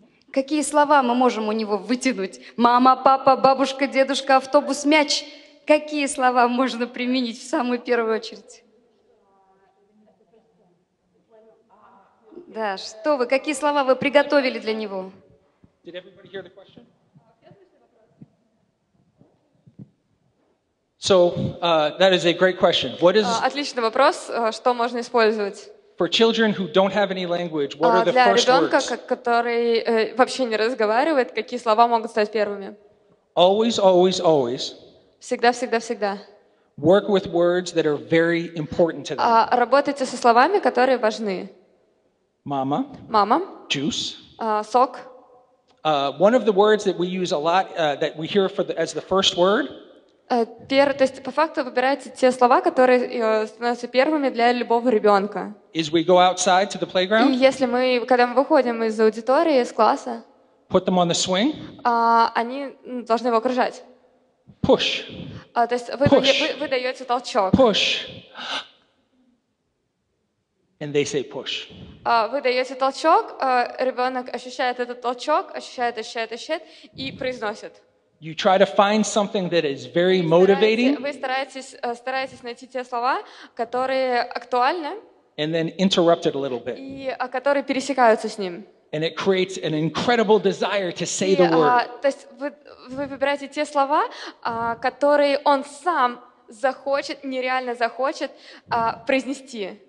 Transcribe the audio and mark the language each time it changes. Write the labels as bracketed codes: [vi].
[ru] Какие слова мы можем у него вытянуть? Мама, папа, бабушка, дедушка, автобус, мяч. Какие слова можно применить в самую первую очередь? Да, что вы, какие слова вы приготовили для него? [en] Did everybody hear the question? So, that is a great question. What is... [ru] Отличный вопрос, что можно использовать? [en] For children who don't have any language, what are the first words? [ru] Для ребенка, который вообще не разговаривает, какие слова могут стать первыми? [en] Always, always, always. [ru] Всегда, всегда, всегда. [en] Work with words that are very important to them. [ru] Работайте со словами, которые важны. Мама. Мама. [en] Juice. [ru] Сок. [en] One of the words that we use a lot, that we hear for the, as the first word. [ru] То есть по факту выбираете те слова, которые становятся первыми для любого ребенка. [en] Is we go outside to the playground? [ru] И если мы, когда мы выходим из аудитории, из класса. [en] Put them on the swing. [ru] Они должны его окружать. [en] Push. [ru] То есть вы, push. Вы даете толчок. [en] Push. And they say push. [ru] Вы даете толчок, ребенок ощущает этот толчок, ощущает, ощущает, ощущает, и произносит. [en] You try to find something that is very motivating. [ru] Вы стараетесь найти те слова, которые актуальны. [en] And then interrupt it a little bit. [ru] И которые пересекаются с ним. [en] And it creates an incredible desire to say the word. [ru] То есть вы выбираете те слова, которые он сам захочет, нереально захочет произнести.